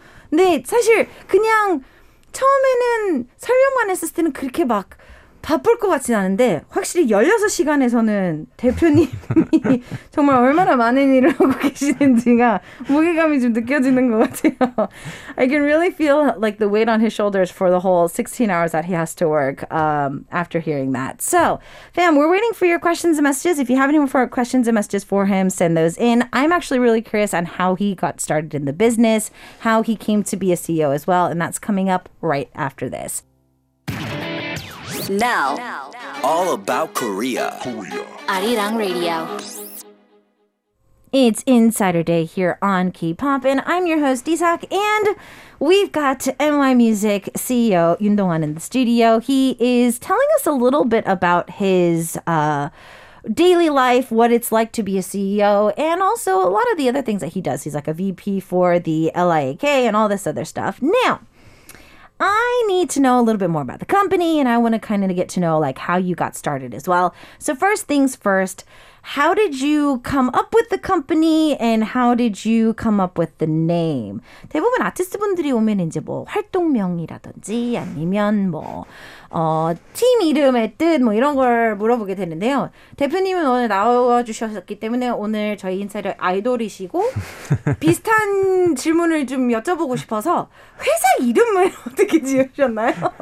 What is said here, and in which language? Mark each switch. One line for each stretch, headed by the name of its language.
Korean: 네, 사실 그냥 처음에는 설명만 했을 때는 그렇게 막 바쁠 것 같진 않은데 확실히 16시간에서는 대표님이 정말 얼마나 많은 일을 하고 계시는지가 무게감이 좀 느껴지는 것 같아요.
English: I can really feel like the weight on his shoulders for the whole 16 hours that he has to work after hearing that. So, fam, we're waiting for your questions and messages. If you have any more questions and messages for him, send those in. I'm actually really curious on how he got started in the business, how he came to be a CEO as well, and that's coming up right after this. Now, all about Korea. Arirang Radio. It's Insider Day here on K-Pop, and I'm your host, Isak, and we've got NY Music CEO Yoon Dong-hwan in the studio. He is telling us a little bit about his daily life, what it's like to be a CEO, and also a lot of the other things that he does. He's like a VP for the LIAK and all this other stuff. Now, I need to know a little bit more about the company, and I want to kind of get to know like how you got started as well. So first things first, how did you come up with the company and how did you come up with the name?
Korean: 대부분 아티스트분들이 오면 이제 뭐 활동명이라든지 아니면 뭐 팀 이름의 뜻 뭐 이런 걸 물어보게 되는데요. 대표님은 오늘 나와주셨기 때문에 오늘 저희 인사이더 아이돌이시고 비슷한 질문을 좀 여쭤보고 싶어서 회사 이름을 어떻게 지으셨나요?